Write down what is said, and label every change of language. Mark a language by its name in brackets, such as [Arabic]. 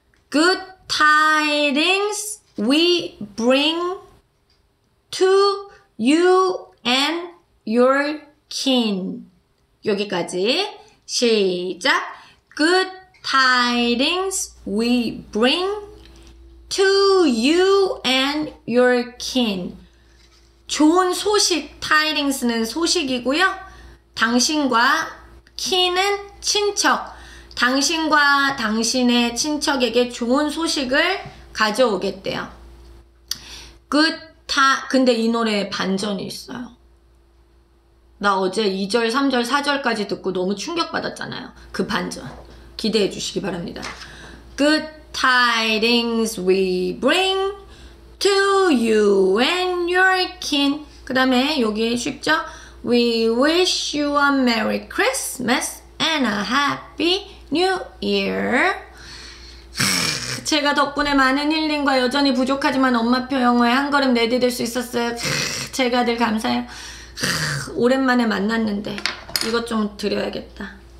[English] Good tidings we bring to you and your kin. [Korean] 여기까지 시작. [English] Good tidings we bring to you and your kin. [Korean] 좋은 소식, tidings는 소식이고요. 당신과 kin은 친척. 당신과 당신의 친척에게 좋은 소식을 가져오겠대요. Good ta. 근데 이 노래에 반전이 있어요. 나 어제 2절, 3절, 4절까지 듣고 너무 충격받았잖아요. 그 반전 기대해 주시기 바랍니다. [English] Good tidings we bring to you and your kin. [Korean] 그 다음에 여기 쉽죠? [English] We wish you a Merry Christmas and a Happy New Year. [Korean] 제가 덕분에 많은 힐링과 여전히 부족하지만 엄마표 영어에 한 걸음 내디딜 수 있었어요. 제가 늘 감사해요. 오랜만에 만났는데 이것 좀 드려야겠다.